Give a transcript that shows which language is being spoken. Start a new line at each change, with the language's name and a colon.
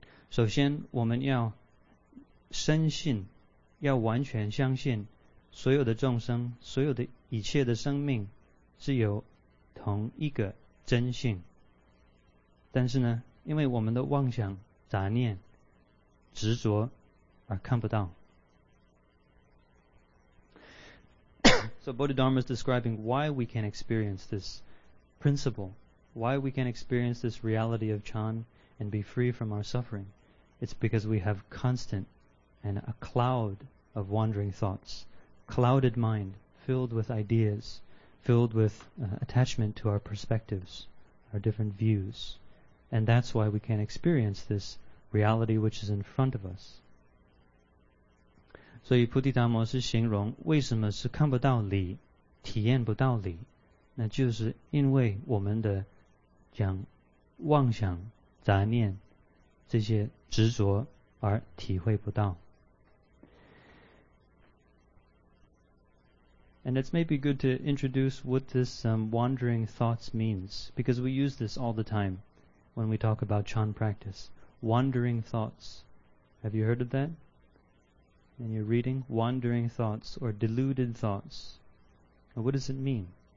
Chinese: 首先我们要深信，要完全相信所有的众生，所有的一切的生命是有同一个真性。但是呢，因为我们的妄想杂念执着而看不到。
English: So Bodhidharma is describing why we can experience this principle, why we can experience this reality of Chan and be free from our suffering. It's because we have constant and a cloud of wandering thoughts, clouded mind, filled with ideas, filled with attachment to our perspectives, our different views. And that's why we can experience this reality which is in front of us.
Chinese: 所以菩提达摩是形容为什么是看不到理，体验不到理，那就是因为我们的讲妄想杂念这些执着而体会不到。
English: And it's maybe good to introduce what this wandering thoughts means, because we use this all the time when we talk about Chan practice. Wandering thoughts, have you heard of thatAnd you're reading wandering thoughts or deluded thoughts. Now, what does it mean?